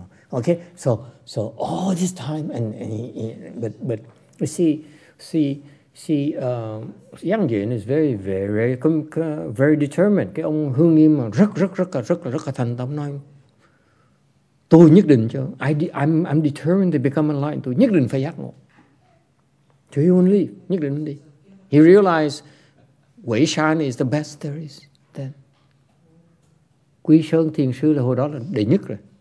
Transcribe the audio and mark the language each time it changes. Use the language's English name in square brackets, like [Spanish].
[English] Okay, so all this time and he, but see, Yang Jin is very very very determined. [Vietnamese] Cái ông Hương Nghiêm mà rất là thành tâm nói, tôi nhất định cho [English] I'm determined to become enlightened. [Vietnamese] Tôi nhất định phải giác ngộ. [English] So he won't leave. [Vietnamese] Nhất định đi. [English] He realized Wei Shan is the best there is. [Vietnamese] Then Quy Sơn Thiền Sư là hồi đó là đệ nhất rồi.